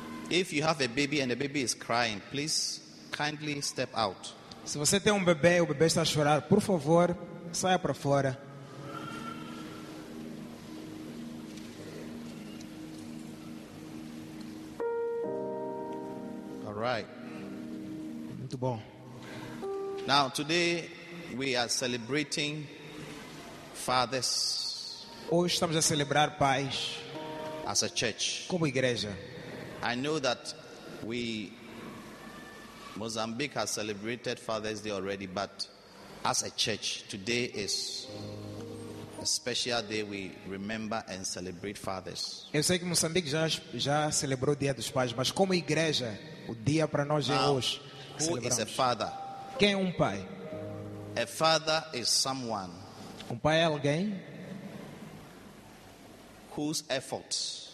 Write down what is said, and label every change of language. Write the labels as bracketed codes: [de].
[en] If you have a baby and the baby is crying, please kindly step out. [pt] Se você tem um bebê e o bebê está a chorar, por favor, saia para fora. [en] All right. [pt] Muito bom. [en] Now, today we are celebrating fathers. [pt] Hoje estamos a celebrar pais. [en] As a church. [pt] Como igreja. [en] I know that we Mozambique has celebrated Father's Day already, but as a church, today is a special day we remember and celebrate fathers. [pt] Eu sei que Moçambique já celebrou o Dia dos Pais, mas como igreja, o dia para nós é hoje. [en] Who is a father? [pt] Quem é um pai? [en] A father is someone. [pt] Um pai é alguém [en] whose efforts,